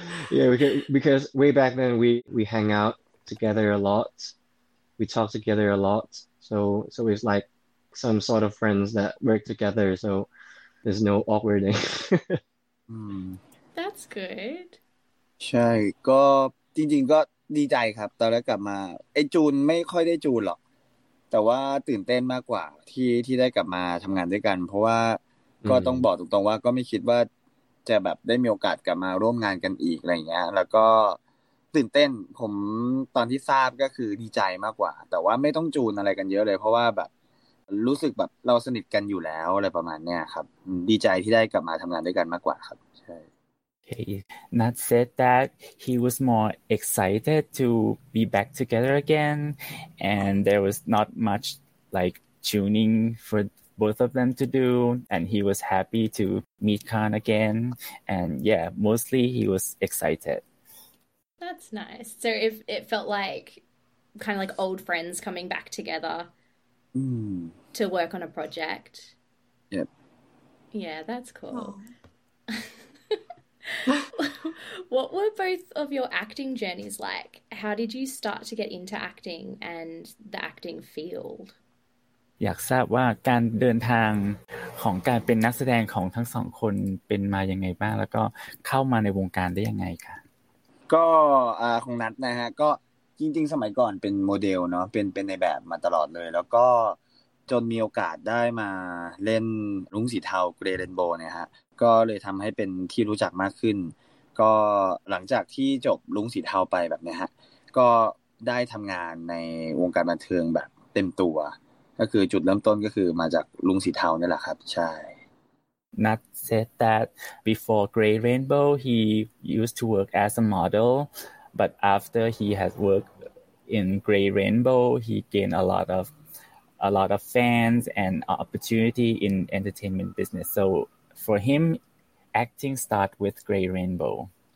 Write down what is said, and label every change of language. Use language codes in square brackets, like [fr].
[en] Yeah because way back then we hang out together a lotWe talk together a lot, so it's like some sort of friends that work together, so there's no awkwarding. That's good. [th] ใช่ก็จริงๆก็ดีใจครับตอนแรกกลับมาไอ้จูนไม่ค่อยได้จูนหรอกแต่ว่าตื่นเต้นมากกว่าที่ได้กลับมาทำงานด้วยกันเพราะว่าก็ต้องบอกตรงๆว่าก็ไม่คิดว่า จะแบบได้มีโอกาสกลับมาร่วมงานกันอีกอะไรเงี้ยแล้วก็ตื่นเต้นผมตอนที่ทราบก็คือดีใจมากกว่าแต่ว่าไม่ต้องจูนอะไรกันเยอะเลยเพราะว่าแบบรู้สึกแบบเราสนิทกันอยู่แล้วอะไรประมาณเนี้ยครับดีใจที่ได้กลับมาทำงานด้วยกันมากกว่าครับใช่ [en] Nat said that he was more excited to be back together again and there was not much like tuning for both of them to do and he was happy to meet Khan again and yeah mostly he was excited. That's nice. So if it felt like kind of like old friends coming back together to work on a project. Yep. Yeah, that's cool. What were both of your acting journeys like? How did you start to get into acting and the acting field? [th] อยากทราบว่าการเดินทางของการเป็นนักแสดงของทั้งสองคนเป็นมายังไงบ้างแล้วก็เข้ามาในวงการได้ยังไงคะ ก็ของนัทนะฮะก็จริงๆสมัยก่อนเป็นโมเดลเนาะเป็นในแบบมาตลอดเลยแล้วก็จนมีโอกาสได้มาเล่นรุ้งสีเทาเกรย์เรนโบว์เนี่ยฮะก็เลยทำให้เป็นที่รู้จักมากขึ้นก็หลังจากที่จบรุ้งสีเทาไปแบบนี้ฮะก็ได้ทำงานในวงการบันเทิงแบบเต็มตัวก็คือจุดเริ่มต้นก็คือมาจากลุงสีเทานี่แหละครับใช่ [en] Nat said that before Grey Rainbow he used to work as a model but after he had worked in Grey Rainbow he gained a lot of fans and opportunity in entertainment business so for him acting start with Grey Rainbow